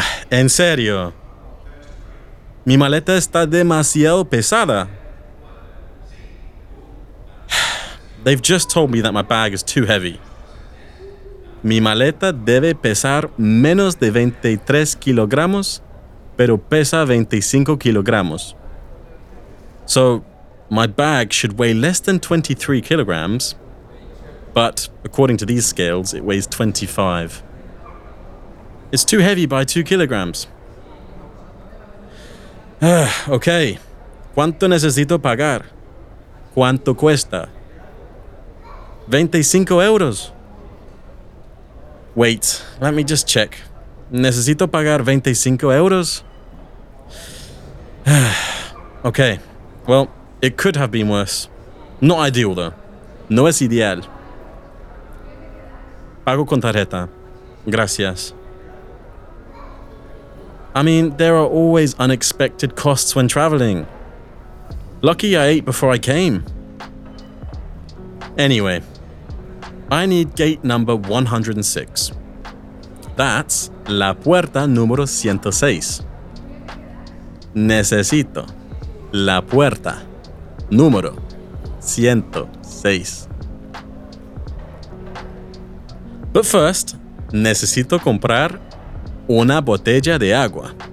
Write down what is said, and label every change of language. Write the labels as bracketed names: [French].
[Spanish] En serio, mi maleta está demasiado pesada. [English] They've just told me that my bag is too heavy. [Spanish] Mi maleta debe pesar menos de 23 kilogramos, pero pesa 25 kilogramos. [English] So, my bag should weigh less than 23 kilograms, but according to these scales, it weighs 25. It's too heavy by 2 kilograms. [Spanish] Okay. ¿Cuánto necesito pagar? ¿Cuánto cuesta? [English] 25 euros. Wait, let me just check. [Spanish] ¿Necesito pagar 25 euros? [English] Okay. Well, it could have been worse. Not ideal, though. [Spanish] No es ideal. Pago con tarjeta. Gracias. [English] I mean, there are always unexpected costs when traveling. Lucky I ate before I came. Anyway, I need gate number 106. That's [Spanish] la puerta número 106. Necesito la puerta número 106. [English] But first, [Spanish] necesito comprar una botella de agua.